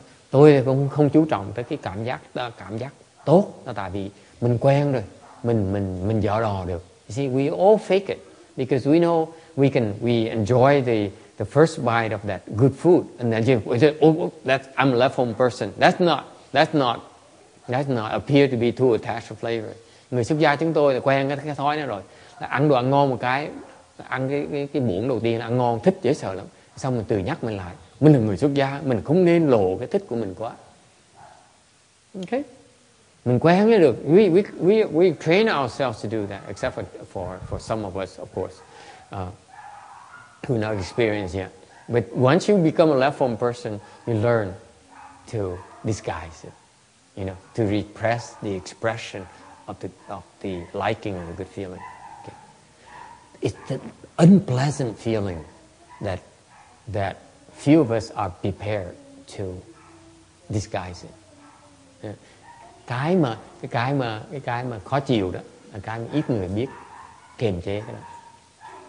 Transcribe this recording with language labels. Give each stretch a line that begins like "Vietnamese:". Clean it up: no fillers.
Vietnamese: Tôi cũng không chú trọng tới cái cảm giác tốt, là tại vì mình quen rồi, mình dở đò được.
English: You see, we all fake it because we know we enjoy the first bite of that good food, and then we say, "Oh, that's I'm a left home person." That's not That's not appear to be too attached to flavor.
Vietnamese: Người xuất gia chúng tôi là quen cái thói đó rồi. Là ăn đồ ăn ngon một cái, ăn cái muỗng đầu tiên ăn ngon, thích dễ sợ lắm. Xong mình tự nhắc mình lại, mình là người xuất gia, mình không nên lộ cái thích của mình quá. Okay? Mình quen mới được.
English: We train ourselves to do that, except for some of us, of course, who not experienced yet. But once you become a left-form person, you learn to disguise it, you know, to repress the expression of the liking or the good feeling. Okay. It's the unpleasant feeling that few of us are prepared to disguise it. Yeah.
Vietnamese: Cái mà khó chịu đó, cái mà ít người biết kiềm chế đó.